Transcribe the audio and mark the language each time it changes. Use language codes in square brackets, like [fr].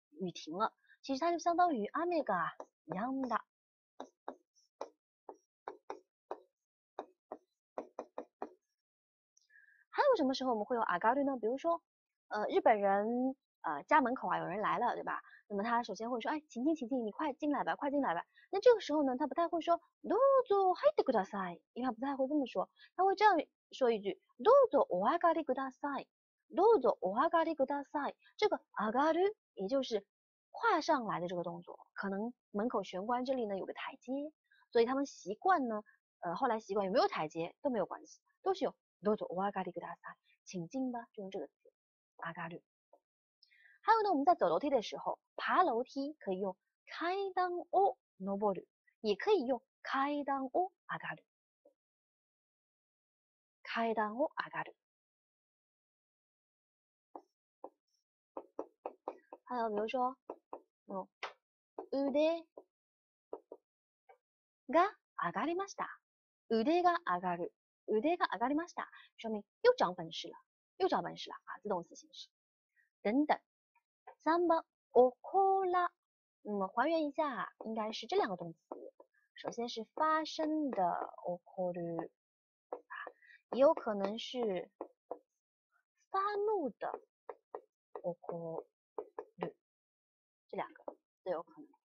[zh] 雨停了，其实它就相当于 [ja] 雨が止んだ。 [zh] 还有什么时候我们会用阿嘎瑞呢？比如说，日本人家门口啊有人来了，对吧？那么他首先会说，哎，请进，请进，你快进来吧，快进来吧。那这个时候呢，他不太会说 [ja] どうぞ入ってください， [zh] 因为他不太会这么说，他会这样说一句 [ja] どうぞお上がりください，どうぞお上がりください。 [zh] 这个阿嘎瑞也就是跨上来的这个动作，可能门口玄关这里呢有个台阶，所以他们习惯呢，后来习惯有没有台阶都没有关系，都是用。 [ja] どうぞお上がりください， [zh] 请进吧，就用这个词，上がる。还有呢，我们在走楼梯的时候，爬楼梯可以用 [ja] 階段を上る， [zh] 也可以用 [ja] 階段を上がる。階段を上がる。 [zh] 还有比如说， [ja] 腕が上がりました。腕が上がる。腕が上がりました。 [zh] 说明又长本事了，又长本事了啊！自动词形式。等等，三番おこら，还原一下，应该是这两个动词。首先是发生的おこる，也有可能是发怒的おこる，这两个都有可能。